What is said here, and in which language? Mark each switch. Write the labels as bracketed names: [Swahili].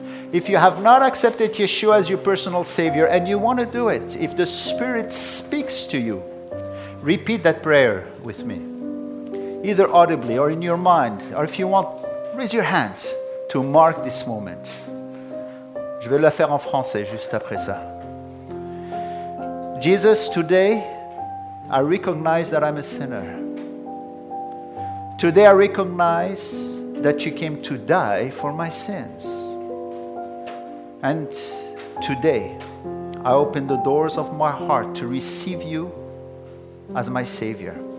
[English] If you have not accepted Yeshua as your personal Savior and you want to do it, if the Spirit speaks to you, repeat that prayer with me, either audibly or in your mind, or if you want, raise your hand to mark this moment. [French] Je vais le faire en français juste après ça. [English] Jesus, today I recognize that I'm a sinner. Today I recognize that you came to die for my sins. And today, I open the doors of my heart to receive you as my Savior.